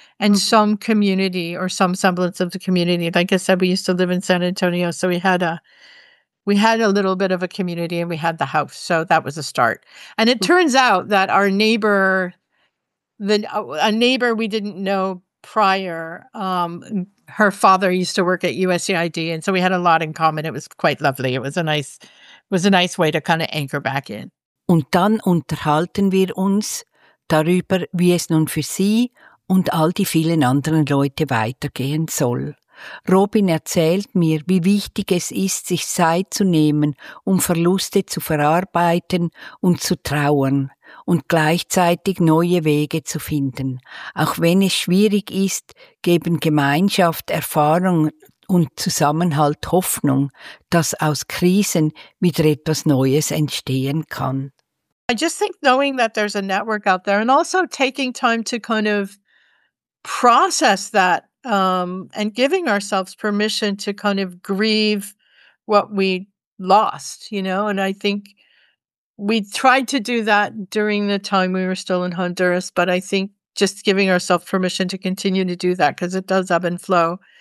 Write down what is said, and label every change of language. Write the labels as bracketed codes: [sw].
[en] And some community or some semblance of the community. Like I said, we used to live in San Antonio, so we had a little bit of a community and we had the house. So that was a start. And it turns out that our neighbor, a neighbor we didn't know prior, her father used to work at USAID. And so we had a lot in common. It was quite lovely. It was a nice way to kind of anchor back in. [de] Und dann unterhalten wir uns darüber, wie es nun für Sie und all die vielen anderen Leute weitergehen soll. Robin erzählt mir, wie wichtig es ist, sich Zeit zu nehmen, um Verluste zu verarbeiten und zu trauern und gleichzeitig neue Wege zu finden. Auch wenn es schwierig ist, geben Gemeinschaft, Erfahrung und Zusammenhalt Hoffnung, dass aus Krisen wieder etwas Neues entstehen kann. [en] I just think knowing that there's a network out there and also taking time to kind of process that and giving ourselves permission to kind of grieve what we lost, you know. And I think we tried to do that during the time we were still in Honduras, but I think just giving ourselves permission to continue to do that because it does ebb and flow.